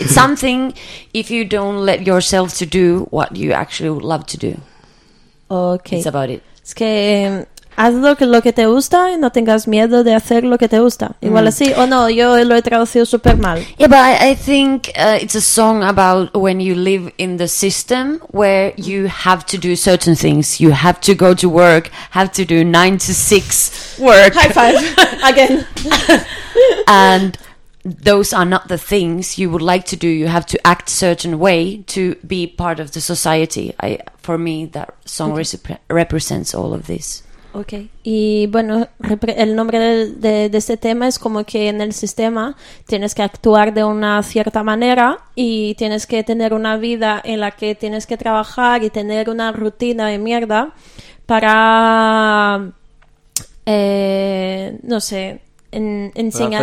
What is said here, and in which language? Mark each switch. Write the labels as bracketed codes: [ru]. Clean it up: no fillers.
[en] It's something if you don't let yourself to do what you actually would love to do. Okay. It's about it. [es] Es que... Haz lo que te gusta y no tengas miedo de hacer lo que te gusta. Igual así, o no, yo lo he traducido súper mal. [en] Yeah, but I think it's a song about when you live in the system where you have to do certain things. You have to go to work, have to do 9-to-6 work. High five, again. And those are not the things you would like to do. You have to act certain way to be part of the society. For me, that song represents all of this. Okay. [es] Y bueno, el nombre de este tema es como que en el sistema tienes que actuar de una cierta manera y tienes que tener una vida en la que tienes que trabajar y tener una rutina de mierda para, no sé, enseñar.